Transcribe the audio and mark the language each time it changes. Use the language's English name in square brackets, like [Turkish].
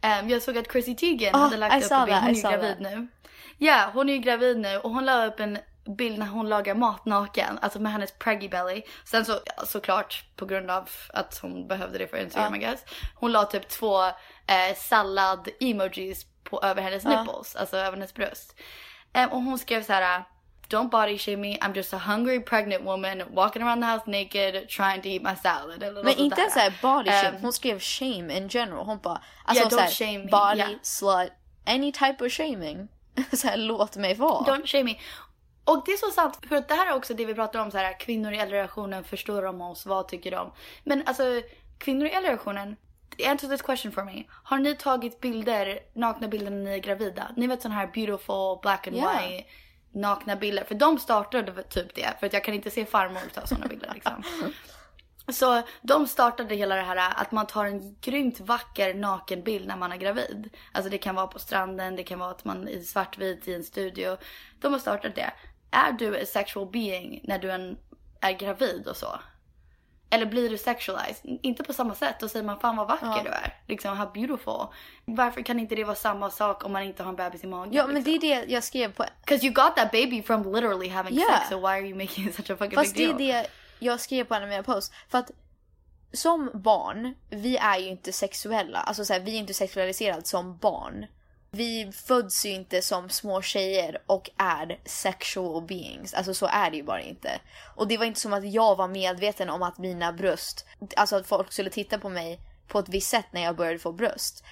[Swedish] Jag såg att Chrissy Teigen hade lagt upp en bild. Hon är gravid nu. Ja, hon är gravid nu. Och hon la upp en bild när hon lagar mat naken. Alltså med hennes [English] preggy belly. [Swedish] Sen så, såklart, på grund av att hon behövde det för Instagram, [English] I guess. [Swedish] Hon la typ två sallad emojis på över hennes [English] nipples. [Swedish] Alltså över hennes bröst. Och hon skrev så här: [English] don't body shame me, I'm just a hungry pregnant woman walking around the house naked trying to eat my salad. [Swedish] Men inte ens såhär [English] body shame, [Swedish] hon skrev [English] shame in general. [Swedish] Hon bara, alltså [English] don't [Swedish] såhär, [English] shame me. Body, slut, any type of shaming. [Swedish] Såhär, låt mig vara. [English] Don't shame me. [Swedish] Och det är så sant, för att det här är också det vi pratar om, såhär, kvinnor i äldre relationen, förstår de oss, vad tycker de? Men alltså, kvinnor i äldre relationen, [English] answer this question for me. [Swedish] Har ni tagit bilder, nakna bilder när ni är gravida? Ni vet sån här [English] beautiful black and white [Swedish] nakna bilder, för de startade typ det, för att jag kan inte se farmor ta sådana bilder liksom. Så de startade hela det här att man tar en grymt vacker naken bild när man är gravid. Alltså det kan vara på stranden, det kan vara att man är svartvit i en studio. De har startat det. Är du [English] a sexual being [Swedish] när du är gravid och så? Eller blir du sexualized? Inte på samma sätt. Då säger man, fan vad vacker du är. Liksom, [English] how beautiful. [Swedish] Varför kan inte det vara samma sak om man inte har en bebis i magen? Ja, men det är det jag skrev på. [English] Because you got that baby from literally having sex. So why are you making such a fucking [Swedish] fast [English] big deal? [Swedish] Fast det är det jag skrev på en av mina posts. För att, som barn, vi är ju inte sexuella. Alltså så här, vi är inte sexualiserade som barn. Vi föds ju inte som små tjejer och är [English] sexual beings. [Swedish] Alltså så är det ju bara inte. Och det var inte som att jag var medveten om att mina bröst, alltså att folk skulle titta på mig på ett visst sätt när jag började få bröst.